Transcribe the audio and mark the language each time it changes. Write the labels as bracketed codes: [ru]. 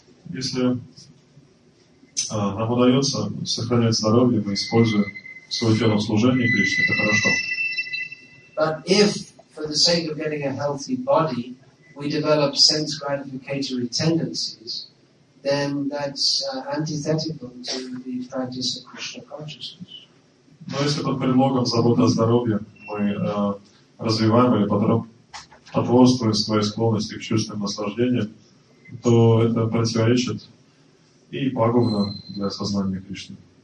[ru] Если нам удается сохранять здоровье, мы используем свое тело в служении Кришне, это хорошо. [en] But if, for for the sake of getting a healthy body, we develop sense gratificatory tendencies, then that's antithetical to the practice of Krishna consciousness. [ru] Но если под предлогом забота о здоровье мы развиваем или потворствуем своей склонности к чувственным наслаждениям, то это противоречит и пагубно для сознания Кришны.